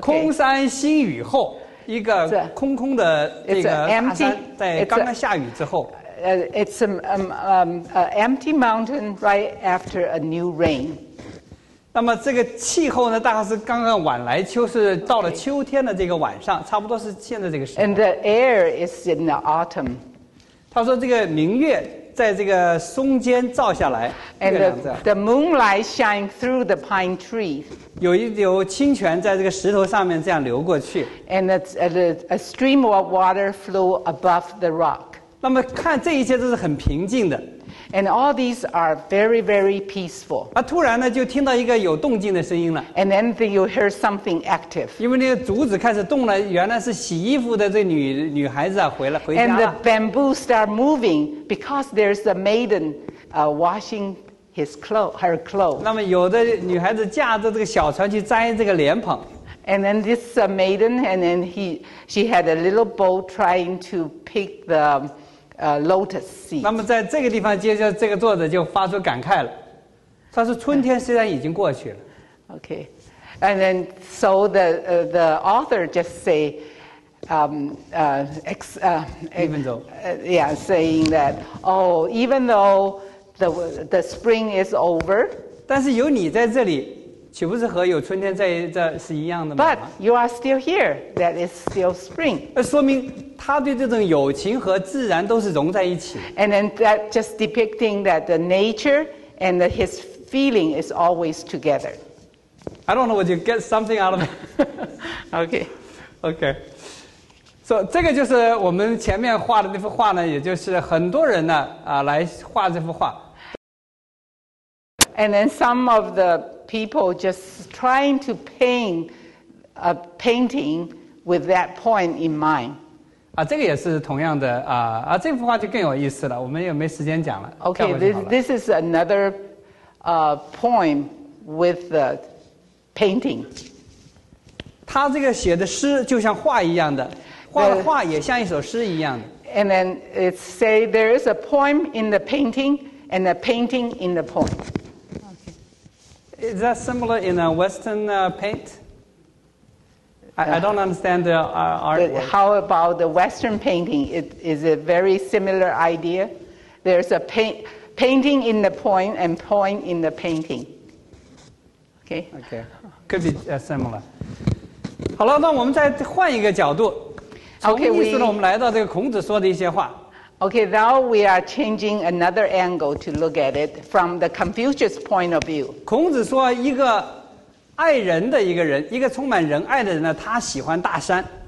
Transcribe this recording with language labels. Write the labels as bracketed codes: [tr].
[zh] 空山新雨后，一个空空的这个大山，在刚刚下雨之后。 [en] It's an empty mountain right after a new rain. [zh] 那么这个气候呢，大概是刚刚晚来秋，是到了秋天的这个晚上，差不多是现在这个时候。 [en] And the air is in the autumn. [zh] 他说这个明月。在这个松间照下来 [en] And the moonlight shine through the pine tree. [zh] 有一流清泉在这个石头上面这样流过去 [en] And a stream of water flow above the rock. [zh] 那么看这一切都是很平静的 [en] And all these are very, very peaceful. [zh] 啊，突然呢就听到一个有动静的声音了 [en] And then you hear something active. [zh] 因为那个竹子开始动了，原来是洗衣服的这女孩子啊，回家了 [en] And the bamboo start movingBecause there's a maiden washing her clothes. [zh] 那么有的女孩子驾着这个小船去摘这个莲蓬。 [en] And then this maiden, and then she had a little boat trying to pick the lotus seed. [zh] 那么在这个地方，接着这个作者就发出感慨了。他说：“春天虽然已经过去了。” [en] Okay, and then so the author just say. Saying that, oh, even though the spring is over, [zh] 但是有你在这里，岂不是和有春天在这是一样的吗 [en] ？But you are still here. That is still spring. [zh] 说明他对这种友情和自然都是融在一起。 [en] And then that just depicting that the nature and his feeling is always together. I don't know. Would you get something out of it? Okay. Okay. So, [zh] 这个就是我们前面画的那幅画呢，也就是很多人呢来画这幅画。 [en] And then some of the people just trying to paint a painting with that point in mind. [zh] 啊，这个也是同样的啊，这幅画就更有意思了，我们也没时间讲了。 [en] Okay, this is another poem with the painting. [zh] 他这个写的诗就像画一样的。画的画也像一首诗一样的。 [en] And then it say there is a poem in the painting and a painting in the poem. Okay. Is that similar in a Western paint? I don't understand the artwork. How about the Western painting? Is it a very similar idea? There's a painting in the poem and poem in the painting. Okay. Okay. Could be similar. [zh] 好了，那我们再换一个角度。 [en] Okay, [zh] 从意思呢，我们来到这个孔子说的一些话。 [en] Okay, now we are changing another angle to look at it from the Confucius point of view. [zh] 孔子说，一个爱人的一个人，一个充满仁爱的人呢，他喜欢大山。